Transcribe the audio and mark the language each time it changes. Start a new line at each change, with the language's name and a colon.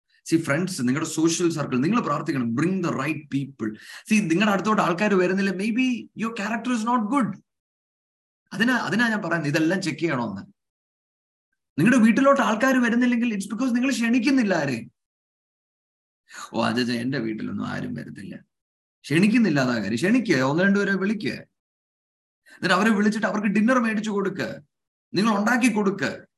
English: See, friends,
Malayalam: നിങ്ങളുടെ social circle നിങ്ങൾ പ്രാർത്ഥിക്കണം.
English: Bring the right people. See,
Malayalam: നിങ്ങളുടെ അടുത്തോട്ട് ആൾക്കാർ വരുന്നില്ല,
English: maybe your character is not good.
Malayalam: അതിനാ ഞാൻ പറയുന്നത്, ഇതെല്ലാം ചെക്ക് ചെയ്യണോ എന്ന്. നിങ്ങളുടെ വീട്ടിലോട്ട് ആൾക്കാർ വരുന്നില്ലെങ്കിൽ
English: it's because
Malayalam: നിങ്ങൾ ക്ഷണിക്കുന്നില്ല ആരെ. ഓ അജജ, എന്റെ വീട്ടിലൊന്നും ആരും വരുന്നില്ല, ക്ഷണിക്കുന്നില്ല. അതാ കാര്യം, ക്ഷണിക്കുക, ഒന്ന് രണ്ടുപേരെ വിളിക്കുക, എന്നിട്ട് അവരെ വിളിച്ചിട്ട് അവർക്ക് ഡിന്നർ മേടിച്ചു കൊടുക്കുക, നിങ്ങൾ ഉണ്ടാക്കി കൊടുക്കുക.